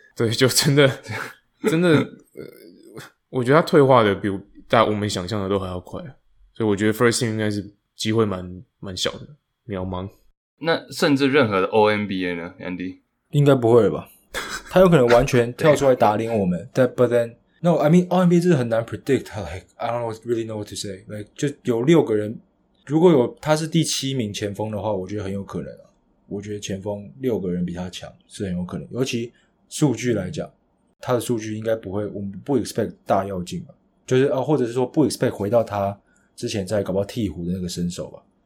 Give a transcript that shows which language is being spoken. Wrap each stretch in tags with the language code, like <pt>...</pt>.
<zh>对，就真的我觉得他退化的比大我们想象的都还要快、啊。所以我觉得 first team 应该是机会蛮小的，渺茫。那甚至任何的 OMBA 呢 ,Andy? 应该不会吧。他有可能完全跳出来打脸我们。</zh> <en>but then, no, I mean, OMBA</en> <zh>真的很难</zh> <en>predict, like, I don't really know what to say.</en> <zh>Like, 就有六个人，如果有他是第七名前锋的话，我觉得很有可能啊。我觉得前锋六个人比他强是很有可能。尤其数据来讲，他的数据应该不会，我们不 expect 大跃进吧，就是或者是说不 expect 回到他之前在搞不好鹈鹕的那个身手吧。</zh>